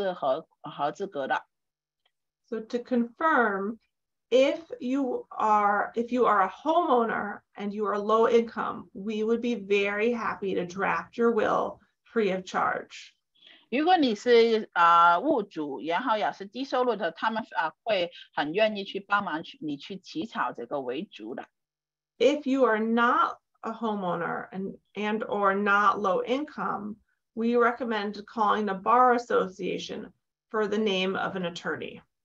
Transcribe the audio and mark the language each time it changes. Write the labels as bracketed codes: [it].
[zh] 然后第二个条件就是需要是低收入的，所以尤其是如果是拿养老金这个退休金的这些，通常你都是合资格的。So [en] to confirm, if you are a homeowner and you are low income, we would be very happy to draft your will free of charge. [zh] 如果你是物主，然后也是低收入的，他们会很愿意去帮忙去你去起草这个遗嘱的。 [en] If you are not a homeowner and or not low income, we recommend calling the Bar Association for the name of an attorney.